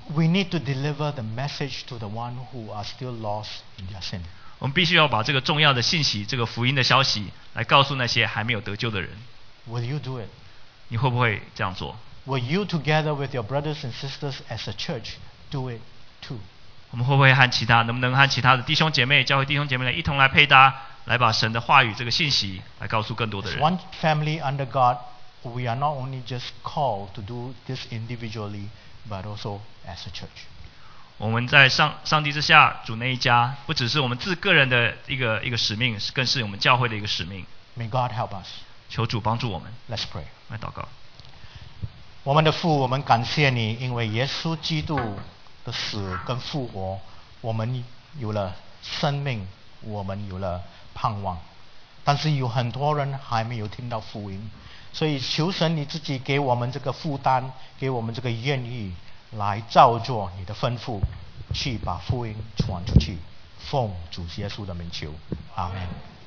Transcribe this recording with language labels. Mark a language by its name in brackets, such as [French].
[English] We need to deliver the message to the one who are still lost in their sin. [Chinese] 我们必须要把这个重要的信息，这个福音的消息，来告诉那些还没有得救的人。 [English] Will you do it? [Chinese] 你会不会这样做 [English] ？Will you together with your brothers and sisters as a church? Do it too. [Chinese] 我们会不会和其他能不能和其他的弟兄姐妹教会弟兄姐妹来一同来配搭来把神的话语这个信息来告诉更多的人 [English] As one family under God we are not only just called to do this individually but also as a church [Chinese] 我们在 上帝之下主那一家不只是我们自个人的一个使命更是我们教会的一个使命 [English] May God help us [Chinese] 求主帮助我们 [English] Let's pray [Chinese] 来祷告我们的父我们感谢你因为耶稣基督的死跟复活我们有了生命我们有了盼望但是有很多人还没有听到福音所以求神你自己给我们这个负担给我们这个愿意来照做你的吩咐去把福音传出去奉主耶稣的名求阿们